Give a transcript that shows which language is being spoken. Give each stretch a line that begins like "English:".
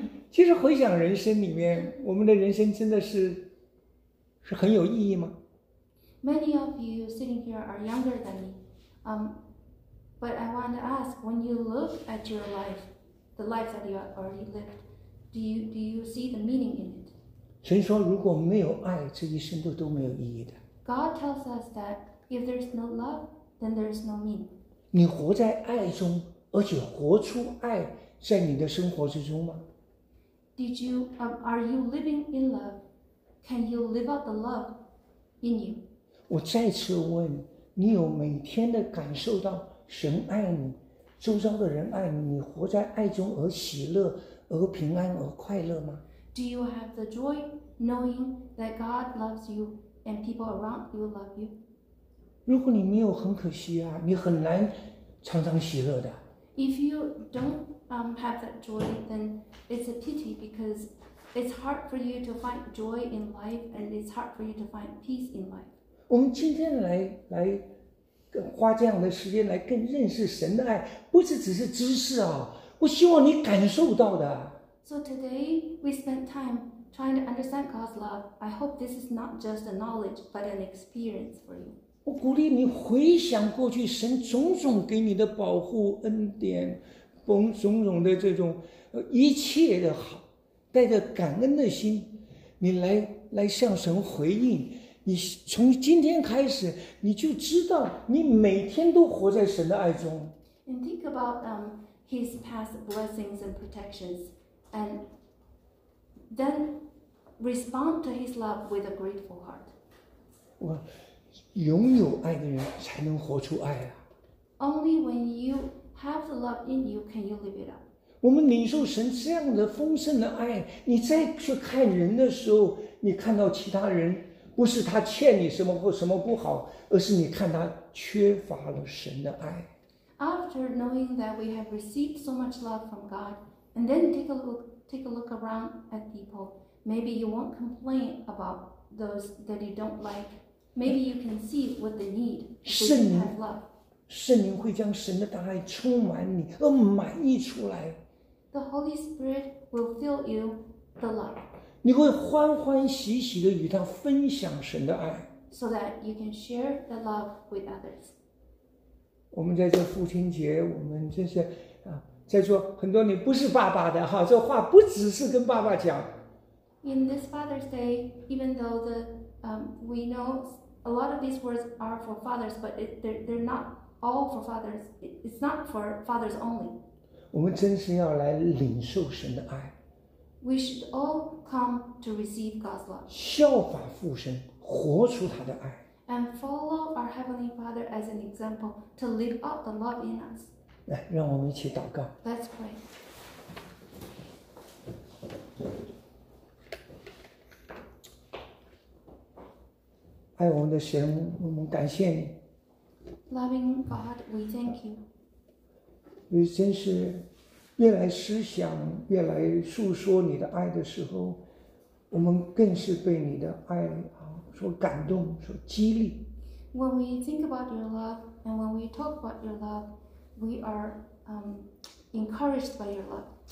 Chinese: 其实回想人生里面，我们的人生真的是很有意义吗
English: ？Many of you sitting here are younger than me, but I want to ask: when you look at your life, the life that you already lived, do you see the meaning in it?
Chinese: 神说，如果没有爱，这一生都没有意义的。
English: God tells us that if there's no love. Then there is no meaning.
Chinese: 你活在爱中，而且活出爱在你的生活之中吗
English: ？Did you are you living in love? Can you live out the love in you?
Chinese: 我再次问，你有每天的感受到神爱你，周遭的人爱你，你活在爱中而喜乐，而平安，而快乐吗
English: ？Do you have the joy knowing that God loves you and people around you love you?
Chinese: 如果你没有，很可惜啊，你很难常常喜乐的。
English: If you don't have that joy, then it's a pity because it's hard for you to find joy in life, and it's hard for you to find peace in life.
Chinese: 我们今天来花这样的时间来更认识神的爱，不是只是知识啊，我希望你感受到的。
English: So today we spent time trying to understand God's love. I hope this is not just a knowledge, but an experience for you.
Chinese: 我鼓励你回想过去神种种给你的保护恩典，种种的这种一切的好，带着感恩的心，你来向神回应。你从今天开始，你就知道你每天都活在神的爱中。
English: And think about His past blessings and protections, and then respond to His love with a grateful heart.
Chinese: 我。拥有爱的人才能活出爱啊
English: Only when you have the love in you, can you live it up?
Chinese: 我们领受神这样的丰盛的爱，你再去看人的时候，你看到其他人，不是他欠你什么或什么不好，而是你看他缺乏了神的爱。
English: After knowing that we have received so much love from God, and then take a look around at people, maybe you won't complain about those that you don't like. Maybe you can see what they need. Because you have love.
Chinese: 圣灵会将神的大爱充满你，而满溢出来。
English: The Holy Spirit will fill you the love.
Chinese: 你会欢欢喜喜地与他分享神的爱。
English: So that you can share the love with others.
Chinese: 我们在这父亲节，我们这些啊，在座很多你不是爸爸的哈，这话不只是跟爸爸讲。
English: In this Father's Day, even though the we know a lot of these words are for fathers, but they're not all for fathers. It's not for fathers only.
Chinese: 我们真是要来领受神的爱。
English: We should all come to receive God's love.
Chinese: 效法父神，活出他的爱。
English: And follow our Heavenly Father as an example to live out the love in us.
Chinese: 来，让我们一起祷告。
English: Let's pray.
Chinese: 爱我们的神，我们感谢你。
English: Loving God, we thank you.
Chinese: 你真是越来思想，越来述说你的爱的时候，我们更是被你的爱。所感动，所激励。
English: When we think about your love and when we talk about your love, we are encouraged by your love.